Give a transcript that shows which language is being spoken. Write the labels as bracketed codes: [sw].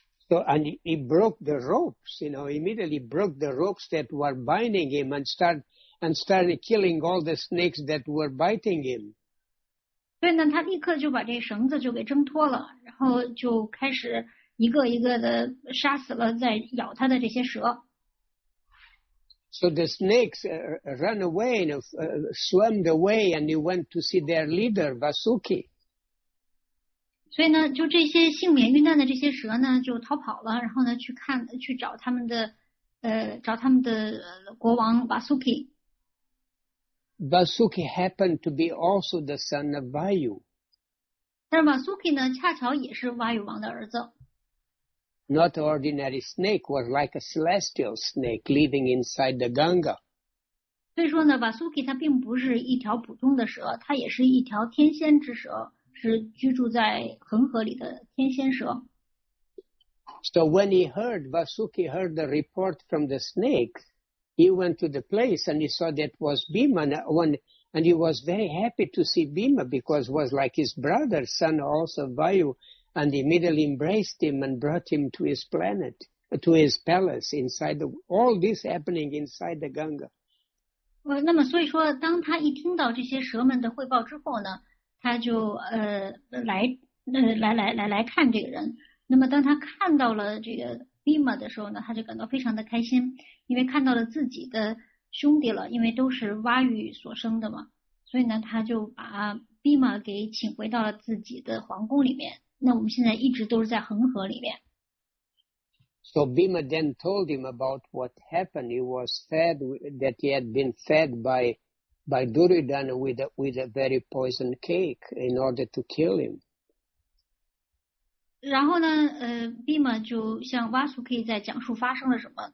[en] So and he broke the ropes, you know, immediately broke the ropes that were binding him and started killing all the snakes that were biting him. [zh] 所以呢，他立刻就把这绳子就给挣脱了，然后就开始一个一个的杀死了在咬他的这些蛇。 [en] So the snakes ran away, and swam away, and they went to see their leader, Vasuki. [zh] 所以呢，就这些幸免遇难的这些蛇呢，就逃跑了，然后呢，去找他们的国王 Vasuki. [en] Vasuki happened to be also the son of Vayu. [zh] 但是 Vasuki 呢，恰巧也是 Vayu 王的儿子。 [en] Not ordinary snake was like a celestial snake living inside the Ganga. [zh] 所以说呢 ，Vasuki 它并不是一条普通的蛇，它也是一条天仙之蛇，是居住在恒河里的天仙蛇。 [en] So when he heard Vasuki heard the report from the snake, he went to the place and he saw that was Bhima, and he was very happy to see Bhima because it was like his brother, son also Vayu. And immediately embraced him and brought him to his planet, to his palace, inside all this happening inside the Ganga. [zh] 那么所以说，当他一听到这些蛇们的汇报之后呢，他就来看这个人。那么当他看到了这个 Bhima 的时候呢，他就感到非常的开心，因为看到了自己的兄弟了，因为都是蛙语所生的嘛。所以呢，他就把 Bhima 给请回到了自己的皇宫里面。那我们现在一直都是在恒河里面。 [en] So Bhima then told him about what happened. He was fed, that he had been fed by Duryodhana with a very poisoned cake in order to kill him. [zh] 然后呢，Bhima 就向 Vasuki 在讲述发生了什么。